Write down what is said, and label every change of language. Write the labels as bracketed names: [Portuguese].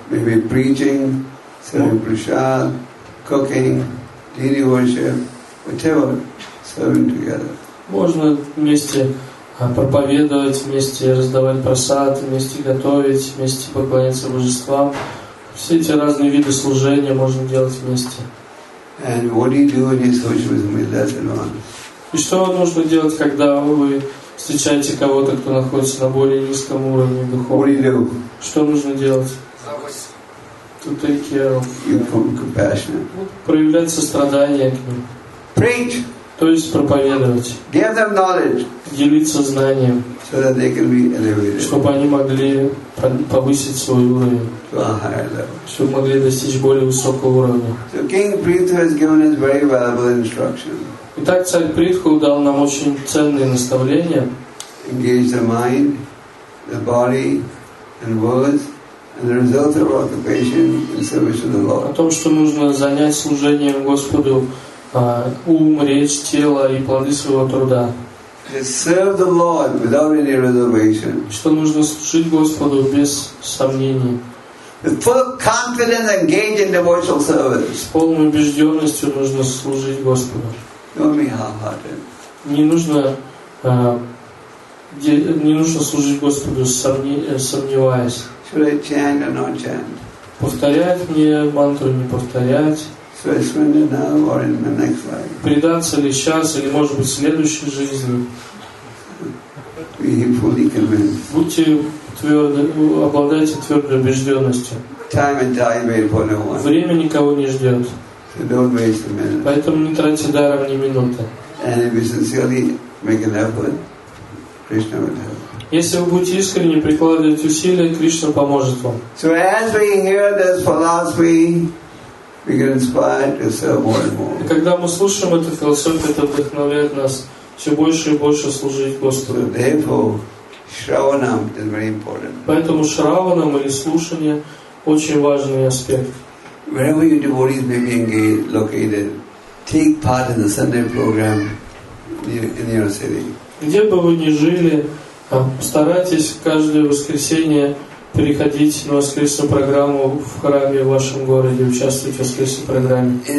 [English] Maybe preaching, serving prasad, cooking, deity worship, whatever, serving together. [Russian] Можно вместе проповедовать, вместе раздавать просад, вместе готовить, вместе поклоняться божествам. Все эти разные виды служения можно делать вместе. [English] And what do you do when you with [Russian] и что нужно делать, когда вы встречаете кого-то, кто находится на более низком уровне духовном? Что нужно делать? [English] To take care of. [Russian] Проявлять сострадание к ним. [English] Preach. [Russian] То есть проповедовать. [English] Give them knowledge, [Russian] делиться знанием, [English] so that they can be elevated, [Russian] чтобы они могли повысить свой уровень, [English] to a higher level, [Russian] чтобы могли достичь более высокого уровня. [English] So King Prithu has given us very valuable instruction. [Russian] Итак, царь Притху дал нам очень ценные наставления. [English] Engage the mind, the body, and words. And the result of occupation is service to the Lord. [Russian] О том, что нужно занять служением Господу ум, речь, тело и плоды своего труда. [English] Serve the Lord without any reservation. [Russian] Что нужно служить Господу без сомнений. [English] With full confidence, engage in devotional service. [Russian] С полной убежденностью нужно служить Господу. [English] Don't be half-hearted. [Russian] Не нужно служить Господу сомневаясь. [English] Should I chant or not chant? [Russian] Повторять мне мантру, не повторять. [English] So I surrender now or in the next life. [Russian] Предаться ли сейчас или, может быть, в следующей жизни? [English] Be fully convinced. [Russian] Будьте твердо, обладайте твердой убежденностью. [English] Time and time may for no one. [Russian] Время никого не ждет. [English] So don't waste a minute. [Russian] Поэтому не тратьте даром ни минуты. [English] And if you sincerely make an effort, Krishna will help. [Russian] Если вы будете искренне прикладывать усилия, Кришна поможет вам. [English] So as we hear this philosophy, we get inspired to serve more and more. [Russian] Когда мы слушаем эту философию, это вдохновляет нас все больше и больше служить Господу. [English] Therefore, shravanam is very important. [Russian] Поэтому шраванам или слушание очень важный аспект. [English] Wherever your devotees may be engaged, located, take part in the Sunday program in your city. [Russian] Где бы вы ни жили, старайтесь каждое воскресенье переходить на воскресную программу в храме в вашем городе, участвовать в воскресной программе.